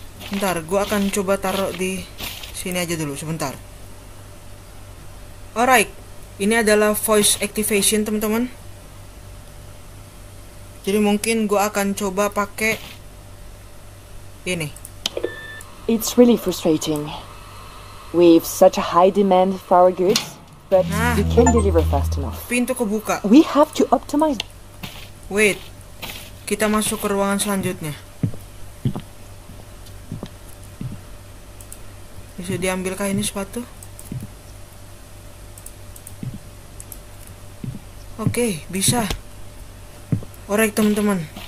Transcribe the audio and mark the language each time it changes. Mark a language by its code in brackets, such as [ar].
[id] Bentar, gua akan coba taruh di sini aja dulu sebentar. Alright. Ini adalah voice activation, teman-teman. Jadi mungkin gua akan coba pakai ini. [en] It's really frustrating. We have such a high demand for our goods, but we can't deliver fast enough. [id] Pintu kebuka. [en] We have to optimize. Wait. [id] Kita masuk ke ruangan selanjutnya. Bisa diambilkah ini sepatu? Oke, bisa. Alright, teman-teman.